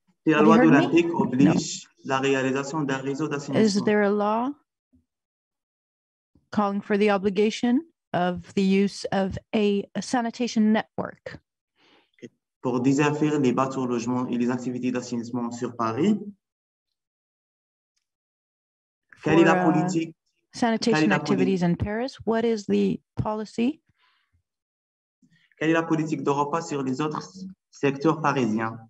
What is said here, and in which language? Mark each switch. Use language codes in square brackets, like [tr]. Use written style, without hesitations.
[fr] La loi olympique oblige la réalisation d'un réseau d'assainissement. [en] Is there a law calling for the obligation of the use of a sanitation network? Okay. [fr] Pour désinfecter les bâtiments, logements et les activités d'assainissement sur Paris. Quelle est la politique? [en] Sanitation activities in Paris. What is the policy? [fr] Quelle est la politique d'Europa sur les autres secteurs parisiens?